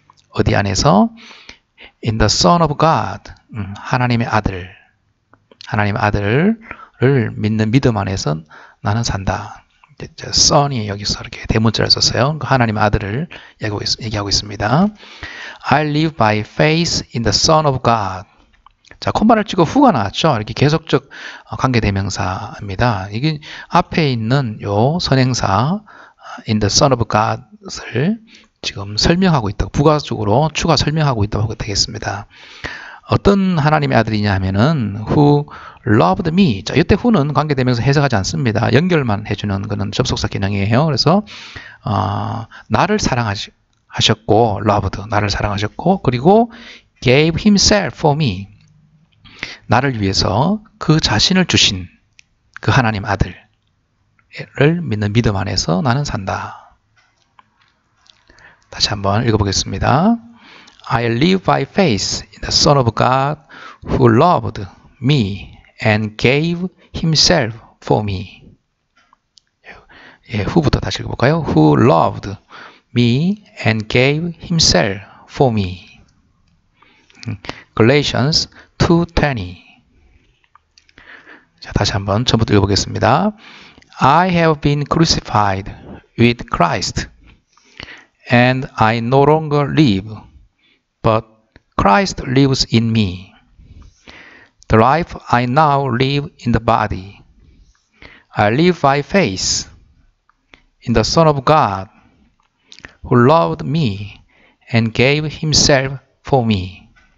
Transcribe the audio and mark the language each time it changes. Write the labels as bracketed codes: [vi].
[ko] 어디 안에서? [en] In the Son of God, [ko] 하나님의 아들, 하나님의 아들을 믿는 믿음 안에서 나는 산다. Son이 여기서 이렇게 대문자를 썼어요. 하나님의 아들을 얘기하고 있습니다. [en] I live by faith in the Son of God. [ko] 자, 콤마를 찍어 후가 나왔죠. 이렇게 계속적 관계대명사입니다. 이게 앞에 있는 요 선행사 in the Son of God을 지금 설명하고 있다고, 부가적으로 추가 설명하고 있다고 되겠습니다. 어떤 하나님의 아들이냐 하면은 [en] who loved me. [ko] 자, 이때 who는 관계대명사 해석하지 않습니다. 연결만 해주는 거는 접속사 기능이에요. 그래서 나를 사랑하셨고 loved 나를 사랑하셨고 그리고 [en] gave himself for me. [ko] 나를 위해서 그 자신을 주신 그 하나님 아들을 믿는 믿음 안에서 나는 산다. 다시 한번 읽어보겠습니다. [en] I live by faith in the Son of God who loved me and gave himself for me. [ko] 예, who부터 다시 읽어볼까요? [en] Who loved me and gave himself for me. Galatians 2:20. [ko] 자, 다시 한번 전부 읽어보겠습니다. [en] I have been crucified with Christ, and I no longer live, but Christ lives in me. The life I now live in the body, I live by faith in the Son of God, who loved me and gave himself for me.